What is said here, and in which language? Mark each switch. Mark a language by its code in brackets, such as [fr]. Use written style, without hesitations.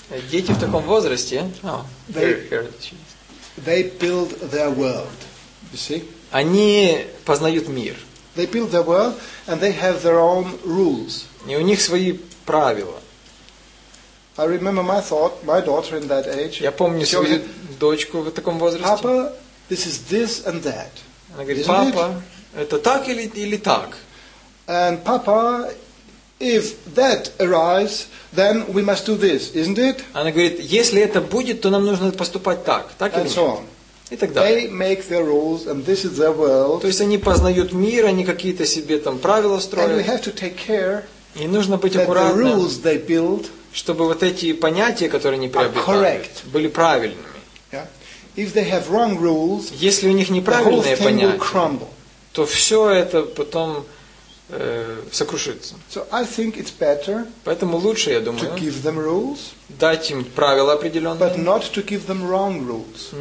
[ru] дети в таком возрасте, [en] they build their world. You see? [ru] Они познают мир. [en] They build their world and they have their own rules. [ru] И у них свои правила. [en] I remember my thought, my daughter in that age. [ru] Я помню свою дочку в таком возрасте. [en] Papa, this is this and that. [ru] Она говорит, папа, это так или так. [en] And papa, if that arrives, then we must do this, isn't it? [ru] Она говорит, если это будет, то нам нужно поступать так, так или нет? И так далее. [en] They make their rules, and this is their world. [ru] То есть они познают мир, они какие-то себе там правила строят. [en] And we have to take care. [ru] И нужно быть аккуратным. [en] The rules they build, [ru] чтобы вот эти понятия, которые они приобретают, были правильными. [en] Yeah. If they have wrong rules, [ru] если у них неправильные понятия, [en] will crumble. [ru] То все это потом сокрушится. [en] So I think it's better. [ru] Поэтому лучше, я думаю, [en] to give them rules, [ru] дать им правила определенные, [en] but not to give them wrong rules,